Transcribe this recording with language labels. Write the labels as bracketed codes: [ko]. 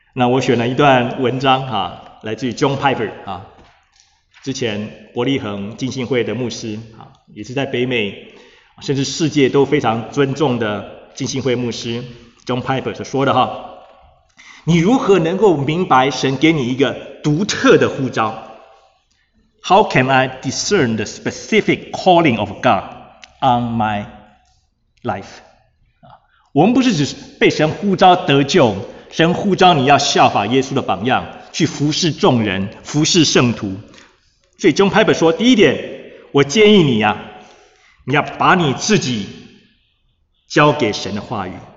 [zh] 那我选了一段文章，来自于 John Piper，之前伯利恒浸信会的牧师，也是在北美甚至世界都非常尊重的浸信会牧师 John Piper 所说的，你如何能够明白神给你一个独特的呼召？ [en] How can I discern the specific calling of God on my life？ [zh] 我们不是只是被神呼召得救，神呼召你要效法耶稣的榜样，去服侍众人，服侍圣徒。所以 John Piper 说，第一点，我建议你，你要把你自己交给神的话语。